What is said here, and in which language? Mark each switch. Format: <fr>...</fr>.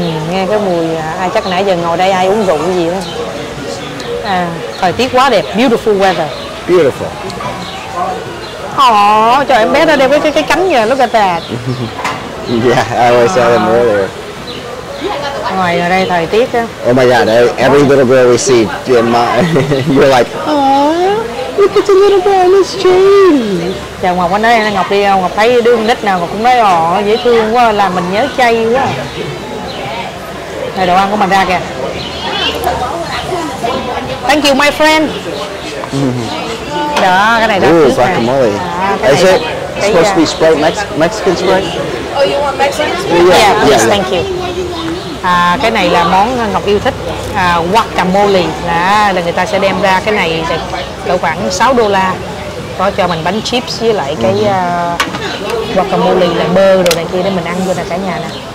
<vi>Nghe cái mùi ai chắc nãy giờ ngồi đây ai uống rượu gì đó. À, thời tiết quá đẹp,</vi> <en>beautiful weather. Beautiful.</en> <vi>Trời em bé nó đeo cái cánh nhờ,</vi> <en>look at that. Yeah, I always saw them earlier.</en> <vi>Ngoài ở đây thời tiết á.</vi> <en>Oh my god, every little girl we see, you're like, aww, look at the little boy, let's change.</en> <vi>Chào Ngọc, anh nói Ngọc đi, Ngọc thấy đứa nít nào Ngọc cũng nói, ồ, dễ thương quá, làm mình nhớ chay quá. Đây, đồ ăn của mình ra kìa.</vi> <en>Thank you, my friend.</en> <vi>Đó, cái này đó.</vi> <en>Ooh, guacamole. À, is it supposed to be Sprite, Mexican Sprite? Oh, you want Mexican Sprite? Yeah, yes, thank you.</en> <vi>À, cái này là món Ngọc yêu thích. À, guacamole. Đó, là người ta sẽ đem ra cái này cỡ khoảng $6. Có cho mình bánh chips với lại cái guacamole là bơ rồi này kia để mình ăn vô nè cả nhà nè.</vi>